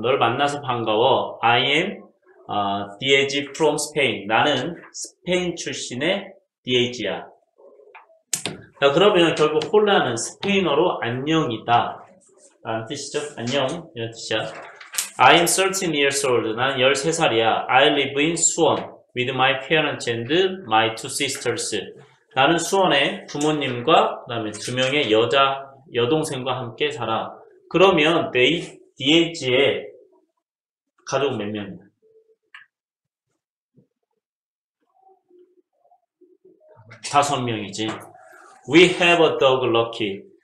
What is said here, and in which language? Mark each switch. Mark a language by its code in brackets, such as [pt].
[ko] 널 만나서 반가워. [en] I am Diaz from Spain. [ko] 나는 스페인 출신의 Diaz야. 자, 그러면 결국 홀라는 스페인어로 안녕이다 라는 뜻이죠. 안녕 이런 뜻이야. [en] I am 13 years old. [ko] 나는 13살이야. [en] I live in 수원 with my parents and my two sisters. [ko] 나는 수원에 부모님과 그다음에 두 명의 여동생과 함께 살아. 그러면 they Diaz의 가족 몇 명이야? 다섯 명이지. [en] We have a dog lucky.